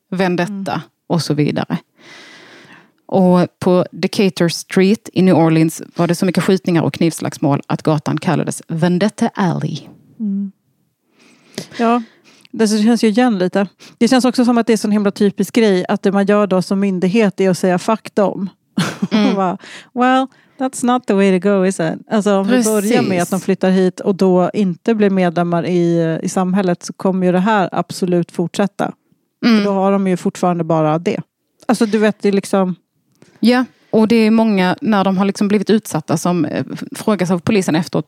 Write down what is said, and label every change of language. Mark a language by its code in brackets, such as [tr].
[sv] Vendetta och så vidare. Och på Decatur Street i New Orleans var det så mycket skjutningar och knivslagsmål att gatan kallades Vendetta Alley. Mm. Ja, det känns ju igen lite. Det känns också som att det är en himla typisk grej att det man gör då som myndighet är att säga fuck dem. Mm. [en] Well, that's not the way to go, is it? [sv] Alltså, om precis. Vi börjar med att de flyttar hit och då inte blir medlemmar i samhället, så kommer ju det här absolut fortsätta. Mm. För då har de ju fortfarande bara det. Alltså du vet, det är liksom... Ja, och det är många, när de har liksom blivit utsatta, som frågas av polisen efteråt.